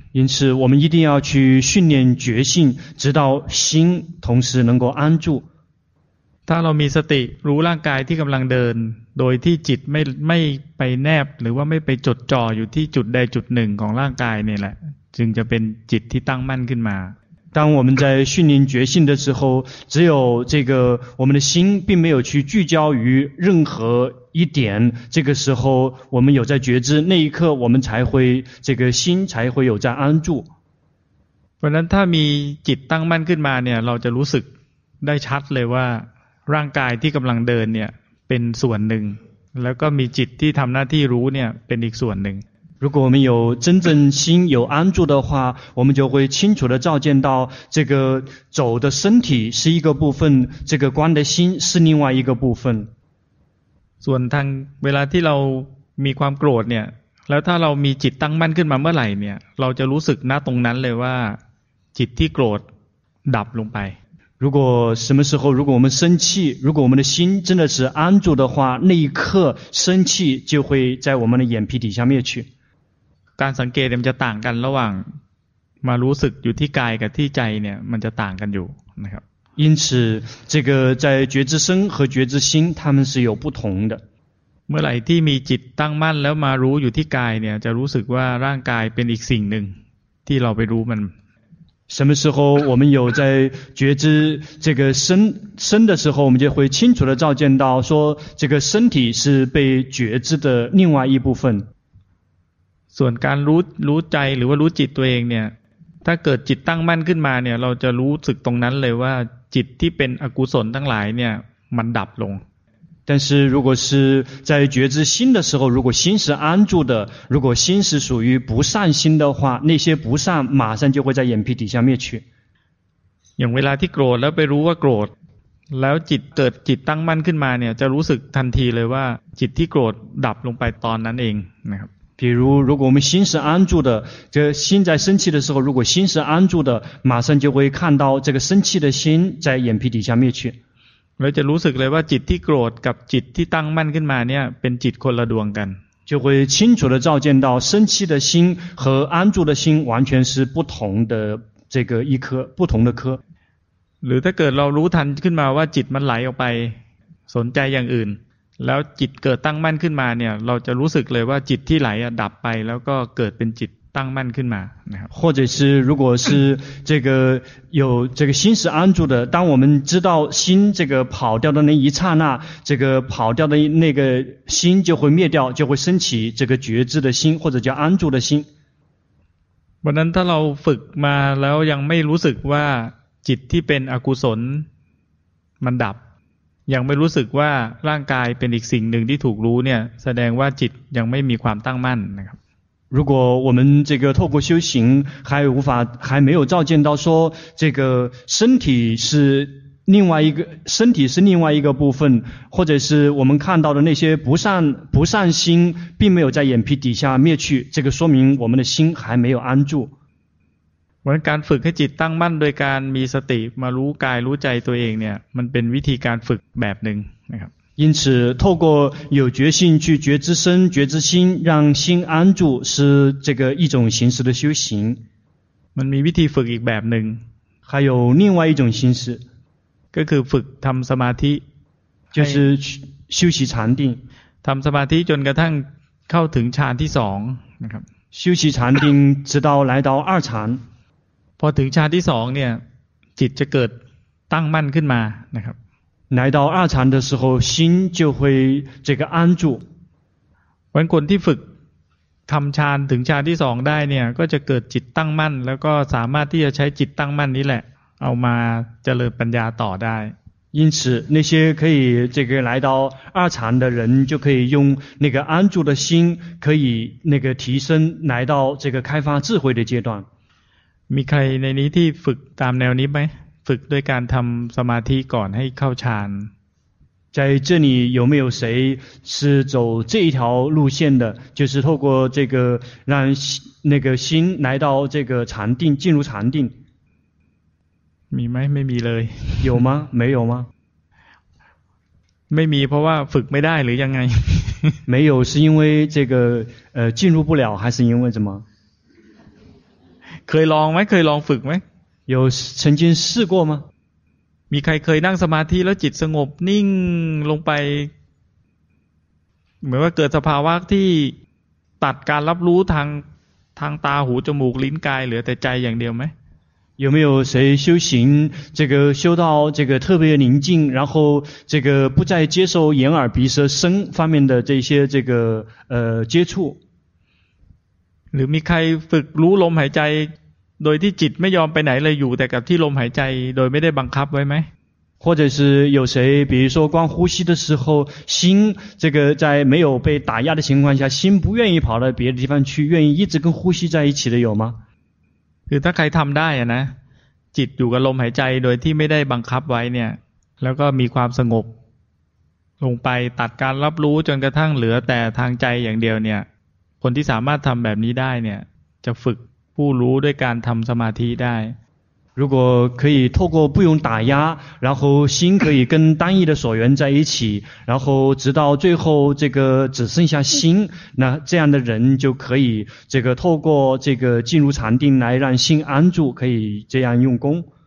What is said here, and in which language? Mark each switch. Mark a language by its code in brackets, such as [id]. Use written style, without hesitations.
[zh] 因此我们一定要去训练觉性直到心同时能够安住 [th] ถ้าเรามีสติรู้ร่างกายที่กำลังเดินโดยที่จิตไม่ไปแนบหรือว่าไม่ไปจดจ่ออยู่ที่จุดใดจุดหนึ่งของร่างกายนี่แหละจึงจะเป็นจิตที่ตั้งมั่นขึ้นมา [zh] 当我们在训练觉性的时候只有这个我们的心并没有去聚焦于任何一点这个时候我们有在觉知那一刻我们才会这个心才会有在安住 [th] เพราะนั้นถ้ามีจิตตั้งมั่นขึ้นมาเนี่ยเราจะรู้สึกได้ชัดเลยว่าร่างกายที่กำลังเดินเนี่ยเป็นส่วนหนึ่งแล้วก็มีจิตที่ทำหน้าที่รู้เนี่ยเป็นอีกส่วนหนึ่ง [zh] 如果我们有真正心有安住的话，我们就会清楚地照见到这个走的身体是一个部分，这个观的心是另外一个部分。 [th] ส่วนทางเวลาที่เรามีความโกรธเนี่ยแล้วถ้าเรามีจิตตั้งมั่นขึ้นมาเมื่อไหร่เนี่ยเราจะรู้สึกณตรงนั้นเลยว่าจิตที่โกรธดับลงไป [zh] 如果什么时候如果我们生气如果我们的心真的是安住的话那一刻生气就会在我们的眼皮底下灭去 [th] การสังเกตมันจะต่างกันระหว่างมารู้สึกอยู่ที่กายกับที่ใจเนี่ยมันจะต่างกันอยู่นะครับ [zh] 因此这个在觉知身和觉知心他们是有不同的 [th] เมื่อไหร่ที่มีจิตตั้งมั่นแล้วมารู้อยู่ที่กายเนี่ยจะรู้สึกว่าร่างกายเป็นอีกสิ่งหนึ่งที่เราไปรู้มัน [zh] 什么时候我们有在觉知这个身的时候我们就会清楚地照见到说这个身体是被觉知的另外一部分 [th] ส่วนการรู้ใจหรือว่ารู้จิตตัวเองเนี่ยถ้าเกิดจิตตั้งมั่นขึ้นมาเนี่ยเราจะรู้สึกตรงนั้นเลยว่าจิตที่เป็นอกุศลทั้งหลายเนี่ยมันดับลง [zh] 但是如果是在觉知心的时候如果心是安住的如果心是属于不善心的话那些不善马上就会在眼皮底下灭去 [th] อย่างเวลาที่โกรธแล้วไปรู้ว่าโกรธแล้วจิตเกิดจิตตั้งมั่นขึ้นมาเนี่ยจะรู้สึกทันทีเลยว่าจิตที่โกรธดับลงไปตอนนั้นเองนะครับ [zh] 比如如果我们心是安住的这心在生气的时候如果心是安住的马上就会看到这个生气的心在眼皮底下灭去 [th] เราจะรู้สึกเลยว่าจิตที่โกรธกับจิตที่ตั้งมั่นขึ้นมาเนี่ยเป็นจิตคนละดวงกัน [zh] 就会清楚地照见到生气的心和安住的心完全是不同的这个一颗不同的颗 [th] หรือถ้าเกิดเรารู้ทันขึ้นมาว่าจิตมันไหลออกไปสนใจอย่างอื่นแล้วจิตเกิดตั้งมั่นขึ้นมาเนี่ยเราจะรู้สึกเลยว่าจิตที่ไหลดับไปแล้วก็เกิดเป็นจิตตั้งมั่นขึ้นมานะครับ [zh] 或者是如果是这个有这个心是安住的当我们知道心这个跑掉的那一刹那这个跑掉的那个心就会灭掉就会升起这个觉知的心或者叫安住的心 [th] วันนั้นถ้าเราฝึกมาแล้วยังไม่รู้สึกว่าจิตที่เป็นอกุศลมันดับยังไม่รู้สึกว่าร่างกายเป็นอีกสิ่งหนึ่งที่ถูกรู้เนี่ยแสดงว่าจิตยังไม่มีความตั้งมั่นนะครับ [zh] 如果我们这个透过修行还无法还没有照见到说这个身体是另外一个身体是另外一个部分或者是我们看到的那些不善心并没有在眼皮底下灭去这个说明我们的心还没有安住 [th] เหมือนการฝึกให้จิตตั้งมั่นโดยการมีสติมารู้กายรู้ใจตัวเองเนี่ยมันเป็นวิธีการฝึกแบบหนึ่งนะครับ [zh] 因此透过有觉性去觉知身觉知心让心安住是这个一种形式的修行 [th] มันมีวิธีฝึกอีกแบบหนึ่ง [zh] 还有另外一种形式 [th] ก็คือฝึกทำสมาธิ [zh] 就是修习禅定 [th] ทำสมาธิจนกระทั่งเข้าถึงฌานที่สองนะครับ [zh] 修习禅定直到来到二禅 [th] พอถึงฌานที่สองเนี่ยจิตจะเกิดตั้งมั่นขึ้นมานะครับ [zh] 来到二禅的时候心就会这个安住 [th] วันคนที่ฝึกทำฌานถึงฌานที่สองได้เนี่ยก็จะเกิดจิตตั้งมั่นแล้วก็สามารถที่จะใช้จิตตั้งมั่นนี้แหละเอามาเจริญปัญญาต่อได้ [zh] 因此那些可以这个来到二禅的人就可以用那个安住的心可以那个提升来到这个开发智慧的阶段 [th] มีใครในนี้ที่ฝึกตามแนวนี้ไหมฝึกด้วยการทำสมาธิก่อนให้เข้าฌาน [zh] 在这里有没有谁是走这一条路线的就是透过这个让那个心来到这个禅定进入禅定 [th] มีไหมไม่มีเลย [zh] 有吗没有吗 [th] ไม่มีเพราะว่าฝึกไม่ได้หรือยังไง [zh] 没有是因为这个进入不了还是因为什么 [th] เคยลองไหมเคยลองฝึกไหม [zh] 有曾经试过吗 [th] มีใครเคยนั่งสมาธิแล้วจิตสงบนิ่งลงไปเหมือนว่าเกิดสภาวะที่ตัดการรับรู้ทางตาหูจมูกลิ้นกายเหลือแต่ใจอย่างเดียวไหม [zh] 有没有谁修行这个修到这个特别宁静然后这个不再接受眼耳鼻舌身方面的这些这个接触 [th] หรือมีใครฝึกรู้ลมหายใจโดยที่จิตไม่ยอมไปไหนเลยอยู่แต่กับที่ลมหายใจโดยไม่ได้บังคับไว้ไหม [zh] 或者是有谁，比如说光呼吸的时候，心这个在没有被打压的情况下，心不愿意跑到别的地方去，愿意一直跟呼吸在一起的有吗？ [th] คือถ้าใครทำได้นะจิตอยู่กับลมหายใจโดยที่ไม่ได้บังคับไว้เนี่ยแล้วก็มีความสงบลงไปตัดการรับรู้จนกระทั่งเหลือแต่ทางใจอย่างเดียวเนี่ยคนที่สามารถทำแบบนี้ได้เนี่ยจะฝึกผู้รู้ด้วยการทำสมาธิได้ [zh] 如果可以透过不用打压，然后心可以跟单一的所缘在一起，然后直到最后这个只剩下心，那这样的人就可以这个透过这个进入禅定来让心安住，可以这样用功。